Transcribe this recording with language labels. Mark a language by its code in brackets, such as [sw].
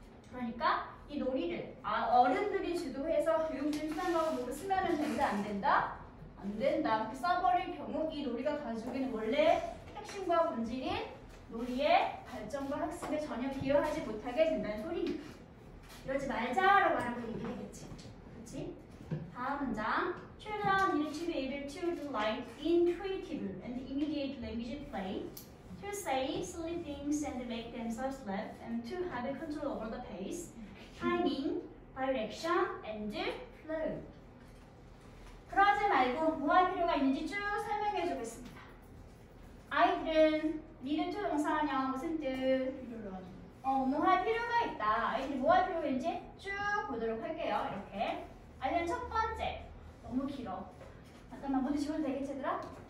[ko] 그러니까 이 놀이를 어른들이 주도해서 교육적 수단으로 모두 쓰면 된다, 안 된다? 안 된다. 그렇게 써버릴 경우 이 놀이가 가지고 있는 원래 핵심과 본질이 놀이의 발전과 학습에 전혀 기여하지 못하게 된다는 소리니까 이러지 말자라고 하는 걸 얘기하겠지. 그렇지? 다음 문장. [en] Children need to be able to delight intuitive and immediate language play to say silly things and make themselves laugh and to have a control over the pace, timing, direction, and flow. [ko] 그러지 말고 뭐 할 필요가 있는지 쭉 설명해 주겠습니다. 아이들은 [en] need to [ko] 동사냐 무슨 뜻? 뭐 할 필요가 있다. 아이들 뭐 할 필요가 있는지 쭉 보도록 할게요. 이렇게. 아이들 첫 번째. 너무 길어. 잠깐만 모두 지워도 되겠지 얘들아?